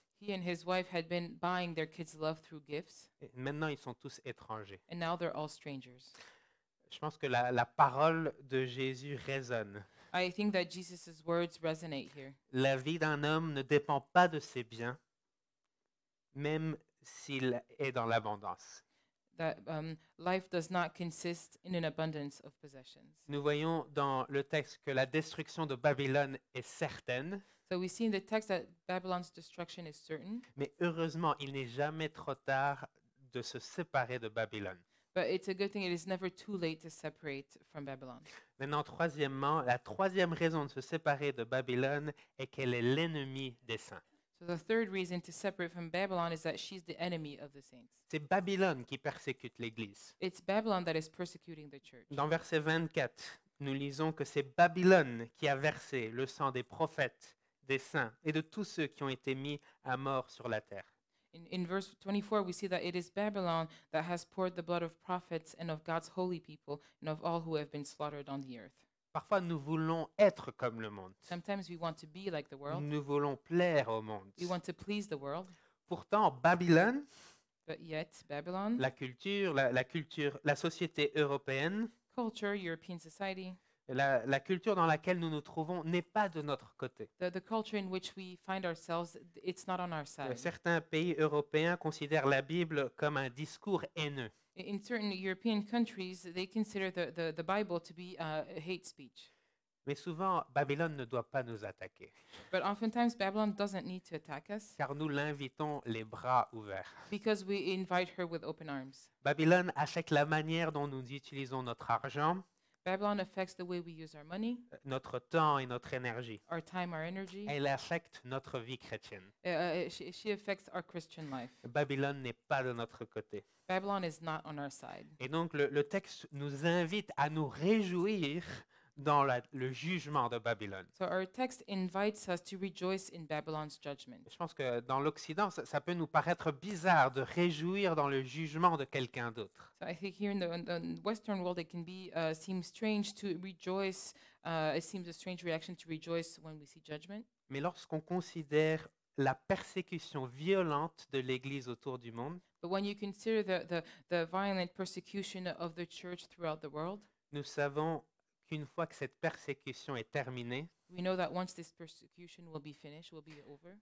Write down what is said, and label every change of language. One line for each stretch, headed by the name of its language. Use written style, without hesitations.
English: He and his wife had been buying their kids' love through gifts.
French: Et maintenant, ils sont tous étrangers.
English: And now they're all strangers.
French: Je pense que la parole de Jésus résonne.
English: I think that Jesus's words resonate here.
French: La vie d'un homme ne dépend pas de ses biens, même s'il est dans l'abondance.
English: That life does not consist in an abundance of possessions.
French: Nous voyons dans le texte que la destruction de Babylone est certaine.
English: So we see in the text that Babylon's destruction is certain.
French: Mais heureusement, il n'est jamais trop tard de se séparer de Babylone.
English: But it's a good thing it is never too late to separate from Babylon.
French: Maintenant, troisièmement, la troisième raison de se séparer de Babylone est qu'elle est l'ennemi des saints.
English: So the third reason to separate from Babylon is that she's the enemy of the saints.
French: C'est Babylone qui persécute l'église.
English: It's Babylon that is persecuting the church.
French: Dans verset 24, nous lisons que c'est Babylone qui a versé le sang des prophètes, des saints et de tous ceux qui ont été mis à mort sur la terre.
English: In verse 24, we see that it is Babylon that has poured the blood of prophets and of God's holy people and of all who have been slaughtered on the earth.
French: Parfois, nous voulons être comme le monde.
English: Sometimes we want to be like the world.
French: Nous voulons plaire au monde.
English: We want to please the world.
French: Pourtant, Babylone,
English: but yet, Babylon,
French: la culture, la société européenne,
English: culture, European society,
French: la culture dans laquelle nous nous trouvons n'est pas de notre côté.
English: The culture in which we find ourselves, it's not on our side.
French: Certains pays européens considèrent la Bible comme un discours haineux.
English: In certain European countries, they consider the Bible to be hate speech.
French: Mais souvent, Babylone ne doit pas nous attaquer.
English: But oftentimes, Babylon doesn't need to attack us.
French: Car nous l'invitons les bras ouverts.
English: Because we invite her with open arms.
French: Babylone affecte la manière dont nous utilisons notre argent.
English: Babylon affects the way we use our money.
French: Notre temps et notre énergie.
English: Our time, our energy.
French: Elle affecte notre vie chrétienne.
English: She affects our Christian life.
French: Babylone n'est pas de notre côté.
English: Babylon is not on our side.
French: Et donc le texte nous invite à nous réjouir dans le jugement de Babylone.
English: So our text invites us to rejoice in Babylon's judgment.
French: Je pense que dans l'Occident, ça peut nous paraître bizarre de réjouir dans le jugement de quelqu'un d'autre.
English: So I think here in the Western world, it can be seem strange to rejoice. It seems a strange reaction to rejoice when we see judgment.
French: Mais lorsqu'on considère la persécution violente de l'Église autour du monde,
English: but when you consider the violent persecution of the church throughout the world,
French: nous savons une fois que cette persécution est terminée,
English: we know that once this persecution will be finished, will be over,